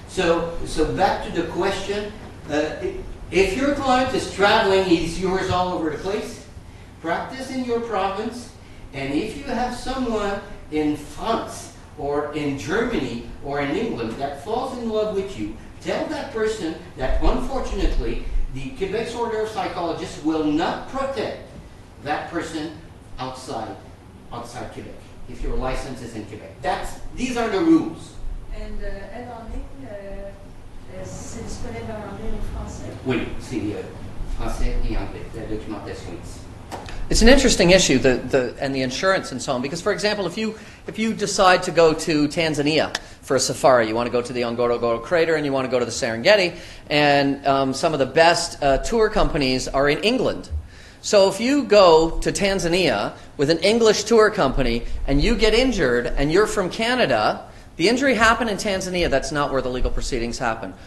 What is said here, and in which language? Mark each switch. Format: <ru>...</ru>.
<en>So back to the question, if your client is traveling, he's yours all over the place, practice in your province, and if you have someone in France or in Germany or in England that falls in love with you, tell that person that unfortunately the Quebec's Order of Psychologists will not protect that person outside Quebec if your license is in Quebec. These are the rules.</en> <fr>And aide en ligne, c'est disponible en français? Oui, c'est français et anglais. La documentation ici.</fr> <en>It's an interesting issue, the insurance and so on, because, for example, if you decide to go to Tanzania for a safari, you want to go to the Ngorongoro Crater and you want to go to the Serengeti, and some of the best tour companies are in England. So if you go to Tanzania with an English tour company and you get injured and you're from Canada, the injury happened in Tanzania, that's not where the legal proceedings happen.</en>